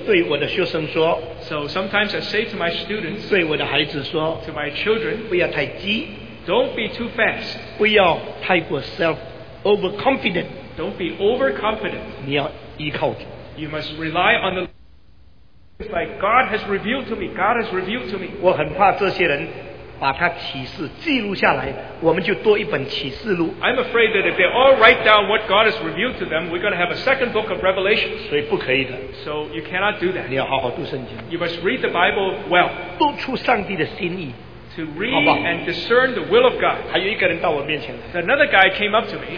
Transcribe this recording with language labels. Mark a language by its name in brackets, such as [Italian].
[English] So sometimes I say to my students, [Chinese] 对我的孩子说, [English] to my children, [Chinese] 不要太急, [English] don't be too fast. [Chinese] 不要太过 [English] self overconfident. Don't be overconfident. [Chinese] 你要依靠主, [English] you must rely on the Lord. It's like God has revealed to me. God has revealed to me. [Chinese] 我很怕这些人, 把他启示记录下来, 我们就多一本启示录, [English] I'm afraid that if they all write down what God has revealed to them, we're going to have a second book of Revelation. So you cannot do that. [Chinese] 你要好好读圣经, [English] you must read the Bible well. [Chinese] 读出上帝的心意, [English] to read and discern the will of God. Another guy came up to me.